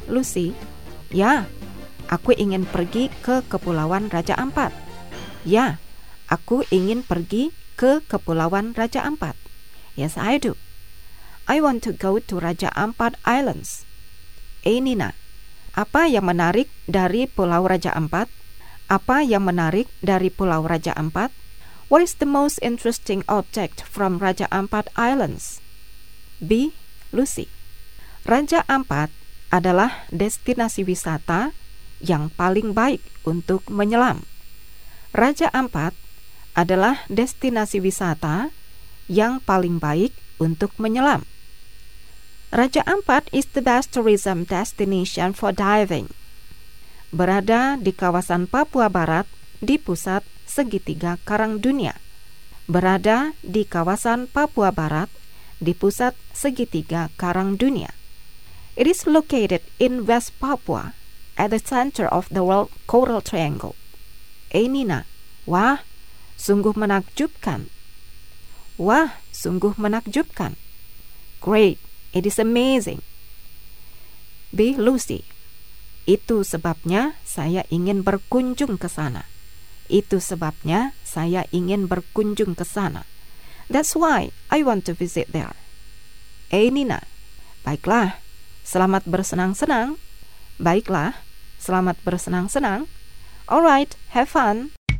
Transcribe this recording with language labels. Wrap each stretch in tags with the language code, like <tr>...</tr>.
<id>Lucy, ya, aku ingin pergi ke Kepulauan Raja Ampat. Ya, aku ingin pergi ke Kepulauan Raja Ampat.</id> <en>Yes, I do. I want to go to Raja Ampat Islands. A.</en> <id>Nina, apa yang menarik dari Pulau Raja Ampat? Apa yang menarik dari Pulau Raja Ampat?</id> <en>What is the most interesting object from Raja Ampat Islands? B.</en> <id>Lucy, Raja Ampat adalah destinasi wisata yang paling baik untuk menyelam. Raja Ampat adalah destinasi wisata yang paling baik untuk menyelam.</id> <en>Raja Ampat is the best tourism destination for diving.</en> <id>Berada di kawasan Papua Barat di pusat segitiga karang dunia. Berada di kawasan Papua Barat di pusat segitiga karang dunia.</id> <en>It is located in West Papua at the center of the world coral triangle.</en> <id>A. Nina, wah, sungguh menakjubkan. Wah, sungguh menakjubkan.</id> <en>Great, it is amazing. B.</en> <id>Lucy, itu sebabnya saya ingin berkunjung ke sana. Itu sebabnya saya ingin berkunjung ke sana.</id> <en>That's why I want to visit there.</en> <id>A. Nina, baiklah, selamat bersenang-senang. Baiklah, selamat bersenang-senang.</id> <en>Alright, have fun.</en>